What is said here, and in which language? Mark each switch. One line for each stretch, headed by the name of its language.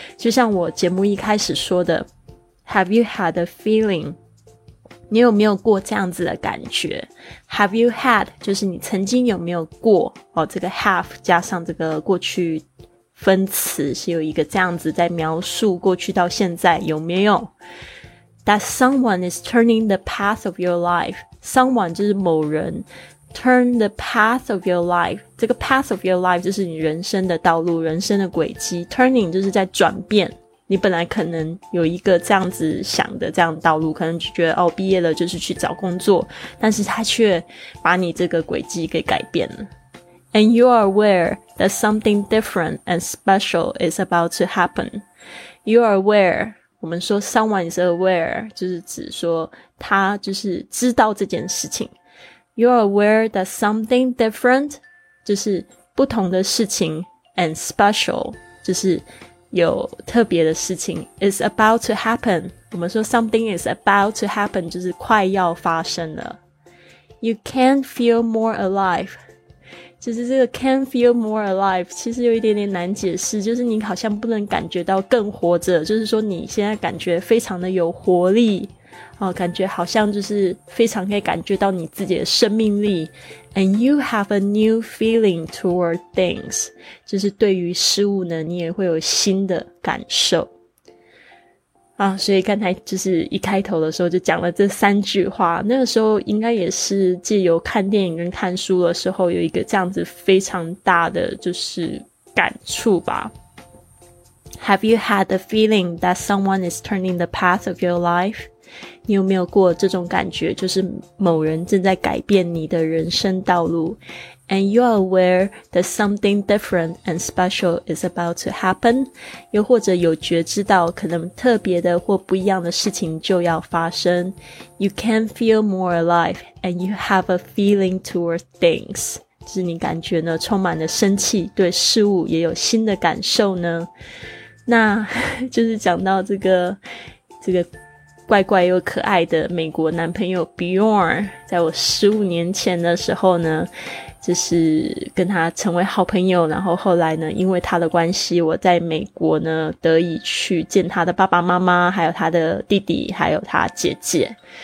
Chinese: 就像我节目一开始说的，
English: Have you had a feeling?
Chinese: 你有没有过这样子的感觉？
English: Have you had
Chinese: 就是你曾经有没有过、哦、这个 have 加上这个过去分词是有一个这样子在描述过去到现在有没有？
English: That someone is turning the path of your life.
Chinese: Someone 就是某人。
English: Turn the path of your life.
Chinese: 这个
English: path of your life
Chinese: 就是你人生的道路，人生的轨迹。 Turning 就是在转变。你本来可能有一个这样子想的这样的道路，可能就觉得哦，毕业了就是去找工作，但是他却把你这个轨迹给改变了。
English: And you are aware that something different and special is about to happen. You are aware.
Chinese: 我们说
English: someone is aware
Chinese: 就是指说他就是知道这件事情。
English: You are aware that something different
Chinese: 就是不同的事情
English: and special
Chinese: 就是有特别的事情
English: is about to happen.
Chinese: 我们说
English: something is about to happen
Chinese: 就是快要发生了。
English: You can feel more alive.
Chinese: 就是这个
English: can feel more alive
Chinese: 其实有一点点难解释，就是你好像不能感觉到更活着，就是说你现在感觉非常的有活力、哦、感觉好像就是非常可以感觉到你自己的生命力。
English: And you have a new feeling toward things
Chinese: 就是对于事物呢你也会有新的感受啊。所以刚才就是一开头的时候就讲了这三句话，那个时候应该也是借由看电影跟看书的时候有一个这样子非常大的就是感触吧。
English: Have you had the feeling that someone is turning the path of your life?
Chinese: 你有没有过这种感觉，就是某人正在改变你的人生道路？
English: And you are aware that something different and special is about to happen?
Chinese: 又或者有觉知到可能特别的或不一样的事情就要发生。
English: You can feel more alive and you have a feeling toward things.
Chinese: 就是你感觉呢充满了生气，对事物也有新的感受呢。那就是讲到这个怪怪又可爱的美国男朋友 Bjorn， 在我15年前的时候呢，就是跟他成为好朋友，然后后来呢，因为他的关系，我在美国呢得以去见他的爸爸妈妈，还有他的弟弟，还有他姐姐。